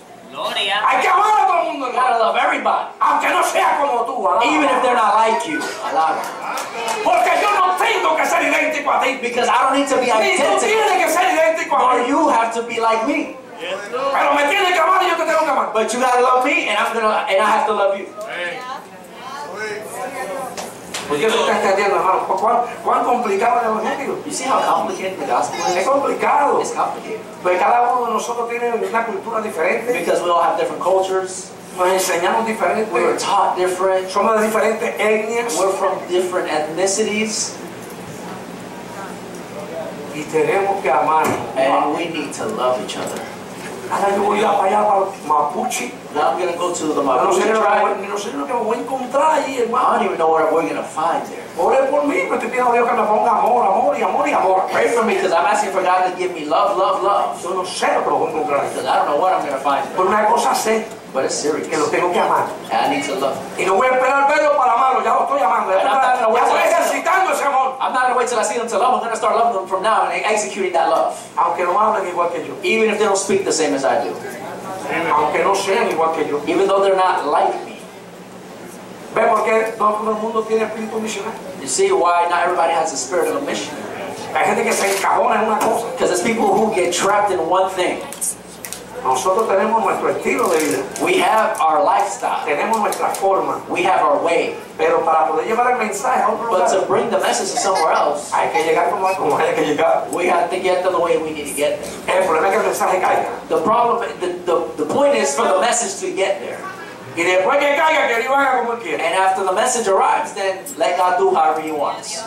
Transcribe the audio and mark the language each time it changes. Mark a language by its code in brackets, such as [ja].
[es] Gloria. Hay que amar a todo el mundo. [en] You gotta love everybody. [es] Aunque no sea como tú, [en] even if they're not like you. [es] Porque yo no tengo que ser idéntico a ti. [en] Because I don't need to be identical. [es] Ni tú tienes que ser idéntico a mí. [en] Nor you have to be like me. Yes. [es] Pero me tienes que amar y yo te tengo que amar. [en] But you gotta love me and I have to love you. [es] Porque eso está entendiendo, hermano. ¿Cuán complicado es el evangelio? [en] You see how complicated the gospel is? [es] Es complicado. [en] It's complicated. [es] Porque cada uno de nosotros tiene una cultura diferente. [en] Because we all have different cultures. [es] Nos enseñamos diferente. [en] We were taught different. [es] Somos de diferentes etnias. [en] We're from different ethnicities. [es] Y tenemos que amar. [en] And we need to love each other. [es] Ahora yo voy a para allá, Mapuche. [en] Now I'm going to go to the Mapuche tribe. [es] No sé lo que voy a encontrar ahí, hermano. [en] I don't even know what we're going to find there. [es] Ore por mí, porque estoy pidiendo a Dios que me ponga amor, amor y amor y amor. [en] Pray for me, because I'm asking for God to give me love, love, love. [es] Yo no sé lo que voy a encontrar. [en] Because I don't know what I'm going to find there. [es] Pero una cosa sé. [en] But it's serious. [es] Que lo tengo que amar. [en] And I need to love. [es] Y no voy a esperar verlo para amarlo, ya lo estoy amando. [en] I'm not going to wait till I see them to love. I'm going to start loving them from now and executing that love. [es] Aunque no hablen igual que yo. [en] Even if they don't speak the same as I do. [es] Aunque no sean igual que yo. [en] Even though they're not like me. [es] ¿Ve por qué todo el mundo tiene espíritu misionero? [en] You see why not everybody has the spirit of a mission. [es] Hay gente que se encajona en una cosa. [en] Because it's people who get trapped in one thing. [es] Nosotros tenemos nuestro estilo de vida. [en] We have our lifestyle. [es] Tenemos nuestra forma. [en] We have our way. [es] Pero para poder llevar el mensaje a otro lugar. [en] But to bring the message to somewhere else. [es] Hay que llegar como hay que llegar. [en] We have to get there the way we need to get there. [es] El problema es que el mensaje caiga. [en] The problem, the point is for the message to get there. [es] Y después que caiga, que Dios haga como quiera. [en] And after the message arrives, then let God do however he wants.